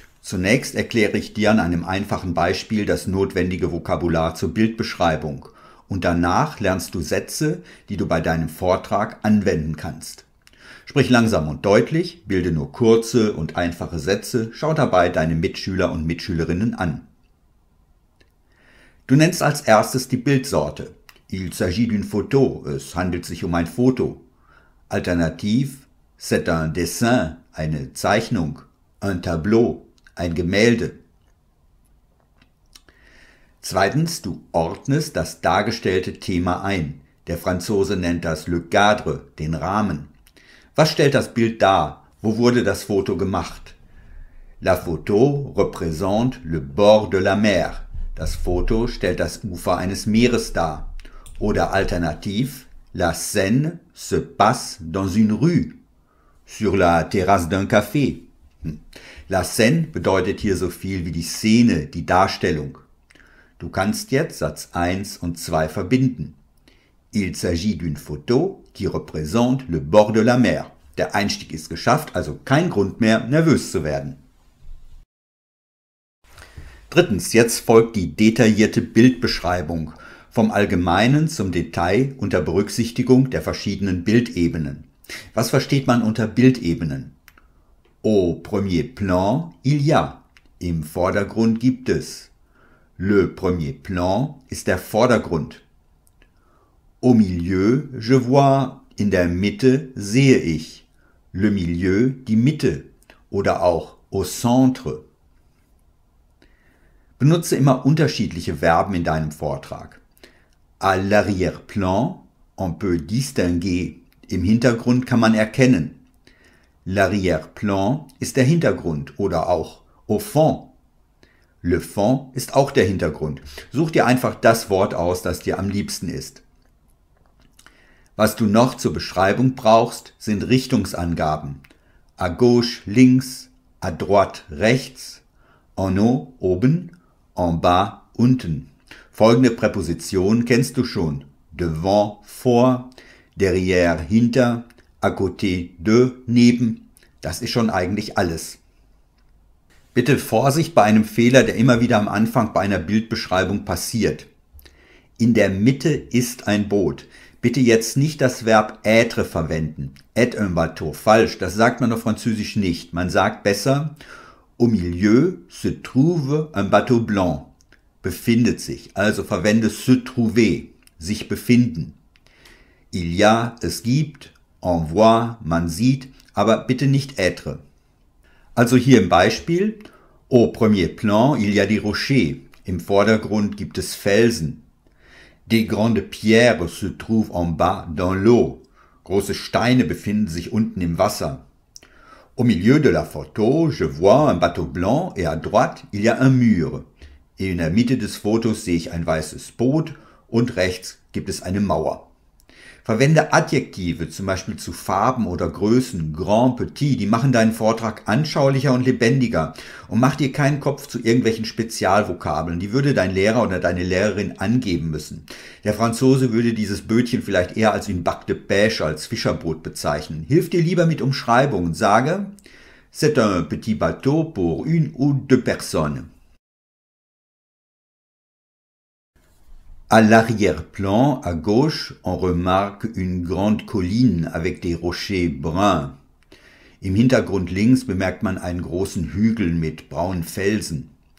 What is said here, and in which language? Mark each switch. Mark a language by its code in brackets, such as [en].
[de] Zunächst erkläre ich dir an einem einfachen Beispiel das notwendige Vokabular zur Bildbeschreibung und danach lernst du Sätze, die du bei deinem Vortrag anwenden kannst. Sprich langsam und deutlich, bilde nur kurze und einfache Sätze, schau dabei deine Mitschüler und Mitschülerinnen an. Du nennst als erstes die Bildsorte. [fr] Il s'agit d'une photo, [de] es handelt sich um ein Foto. [fr] Alternativ, c'est un dessin, [de] eine Zeichnung, [fr] un tableau. [de] Ein Gemälde. Zweitens, du ordnest das dargestellte Thema ein. Der Franzose nennt das le cadre, den Rahmen. Was stellt das Bild dar? Wo wurde das Foto gemacht? [fr] La photo représente le bord de la mer. [de] Das Foto stellt das Ufer eines Meeres dar. Oder alternativ, [fr] la scène se passe dans une rue, sur la terrasse d'un café. [de] La scène bedeutet hier so viel wie die Szene, die Darstellung. Du kannst jetzt Satz 1 und 2 verbinden. [fr] Il s'agit d'une photo qui représente le bord de la mer. [de] Der Einstieg ist geschafft, also kein Grund mehr, nervös zu werden. Drittens, jetzt folgt die detaillierte Bildbeschreibung. Vom Allgemeinen zum Detail unter Berücksichtigung der verschiedenen Bildebenen. Was versteht man unter Bildebenen? [fr] Au premier plan, il y a. [de] Im Vordergrund gibt es. Le premier plan ist der Vordergrund. [fr] Au milieu, je vois. [de] In der Mitte sehe ich. Le milieu, die Mitte. Oder auch au centre. Benutze immer unterschiedliche Verben in deinem Vortrag. [fr] À l'arrière-plan, on peut distinguer. [de] Im Hintergrund kann man erkennen. L'arrière-plan ist der Hintergrund oder auch au fond. Le fond ist auch der Hintergrund. Such dir einfach das Wort aus, das dir am liebsten ist. Was du noch zur Beschreibung brauchst, sind Richtungsangaben. [fr] À gauche, links, à droite, rechts, en haut, oben, en bas, unten. [de] Folgende Präpositionen kennst du schon. Devant, vor, derrière, hinter, à côté de, neben, das ist schon eigentlich alles. Bitte Vorsicht bei einem Fehler, der immer wieder am Anfang bei einer Bildbeschreibung passiert. In der Mitte ist ein Boot. Bitte jetzt nicht das Verb être verwenden. [fr] Être un bateau, [de] falsch, das sagt man auf Französisch nicht. Man sagt besser, [fr] au milieu se trouve un bateau blanc. [de] Befindet sich, also verwende se trouver, sich befinden. Il y a, es gibt. On voit, man sieht, aber bitte nicht être. Also hier im Beispiel. [fr] Au premier plan, il y a des rochers. [de] Im Vordergrund gibt es Felsen. [fr] Des grandes pierres se trouvent en bas dans l'eau. [de] Große Steine befinden sich unten im Wasser. [fr] Au milieu de la photo, je vois un bateau blanc et à droite, il y a un mur. [de] In der Mitte des Fotos sehe ich ein weißes Boot und rechts gibt es eine Mauer. Verwende Adjektive, zum Beispiel zu Farben oder Größen, grand, petit, die machen deinen Vortrag anschaulicher und lebendiger. Und mach dir keinen Kopf zu irgendwelchen Spezialvokabeln, die würde dein Lehrer oder deine Lehrerin angeben müssen. Der Franzose würde dieses Bötchen vielleicht eher als une bac de pêche, als Fischerboot bezeichnen. Hilf dir lieber mit Umschreibungen, sage, [fr] c'est un petit bateau pour une ou deux personnes. À l'arrière-plan, à gauche, on remarque une grande colline avec des rochers bruns. [de] Im Hintergrund links bemerkt man einen großen Hügel mit braunen Felsen.